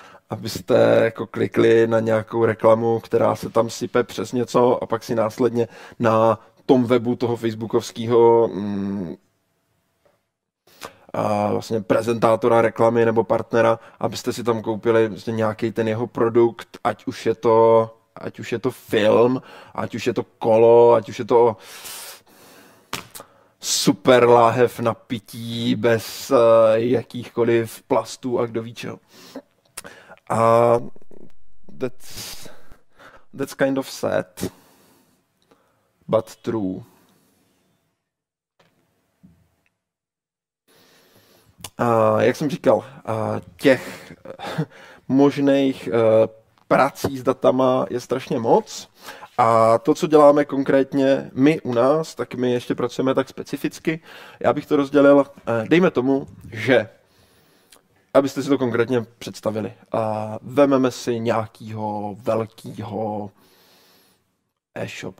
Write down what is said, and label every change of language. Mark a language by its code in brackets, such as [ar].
[cs] abyste jako klikli na nějakou reklamu, která se tam sype přes něco a pak si následně na tom webu toho facebookovského a vlastně prezentátora reklamy nebo partnera, abyste si tam koupili vlastně nějaký ten jeho produkt, ať už je to film, ať už je to kolo, ať už je to super láhev na pití bez jakýchkoliv plastů a kdo ví čeho. [en] A that's kind of sad, but true. [cs] Jak jsem říkal, těch možných prací s datama je strašně moc. A to, co děláme konkrétně my u nás, tak my ještě pracujeme tak specificky. Já bych to rozdělil, dejme tomu, že, abyste si to konkrétně představili, vememe si nějakýho velkýho e-shop.